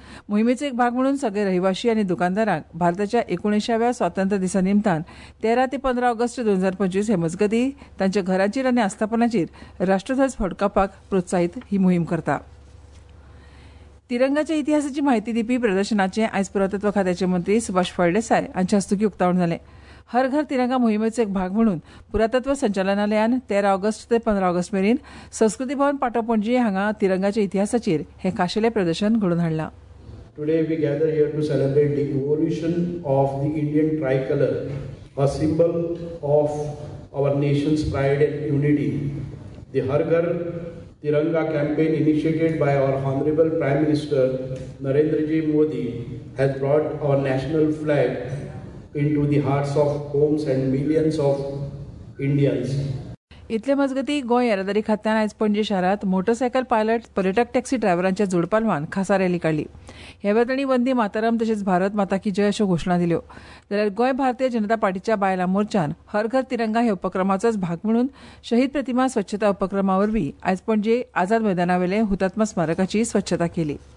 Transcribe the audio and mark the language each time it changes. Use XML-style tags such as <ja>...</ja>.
<kok>मोहिमेचो एक भाग म्हणून सगळे रहिवाशी आनी दुकानदारांक भारताच्या 1900व्या स्वातंत्र्य दिसा निमतान 13 ते 15 ऑगस्ट 2025 हे मजगतीं तांच्या घरांचेर आनी आस्थापनाचेर राष्ट्रध्वज फडकावपाक प्रोत्साहीत ही मोहीम करता. तिरंगाच्या इतिहासाची माहिती दिवपी प्रदर्शनाचे आयज पुरातत्व खात्याचे मंत्री सुभाष फळदेसाय हांच्या हस्तुकी उक्तावण झाले. हर घर तिरंगा मोहिमेचो एक भाग म्हणून पुरातत्व संचालनालयान 13 ऑगस्ट ते 15 ऑगस्ट मेरेन संस्कृती भवन पाटो पणजी हांगा तिरंगाच्या इतिहासाचेर हे खाशेले प्रदर्शन घडोवन हाडला.</kok> <en>Today we gather here to celebrate the evolution of the Indian tricolour, a symbol of our nation's pride and unity. The Har Ghar Tiranga campaign initiated by our Honorable Prime Minister Narendraji Modi has brought our national flag into the hearts of homes and millions of Indians.</en> <kok>इतले मजगती गोंय येरादारी खात्यान आयज पणजे शहरात motorcycle pilot पर्यटक टॅक्सी ड्रायव्हरांच्या जोडपालवान खासा रॅली काढली. ह्यावेळी तांणी वंदे मातरम तशेंच भारत माता की जय अश्यो घोषणा दिल्यो. जाल्यार गोंय भारतीय जनता पार्टीच्या बायलां मोर्चान हर घर तिरंगा ह्या उपक्रमाचोच भाग म्हणून शहीद प्रतिमा स्वच्छता उपक्रमावरवीं आयज पणजे आझाद मैदानावेले हुतात्मा स्मारकाची स्वच्छता केली.</kok>